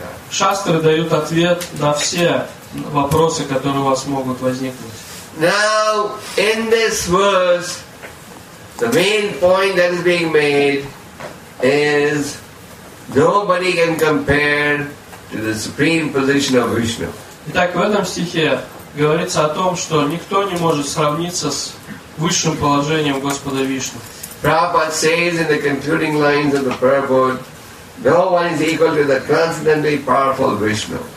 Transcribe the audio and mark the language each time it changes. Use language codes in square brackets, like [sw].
[ru] Шастры дают ответ на все вопросы, которые у вас могут возникнуть. [en] Now, in this verse, the main point that is being made is nobody can compare to the supreme position of Vishnu. [ru] Итак, в этом стихе говорится о том, что никто не может сравниться с высшим положением Господа Вишну. [en] Prabhupada says in the concluding lines of the Prabhupada, no one is equal to the transcendently powerful Vishnu.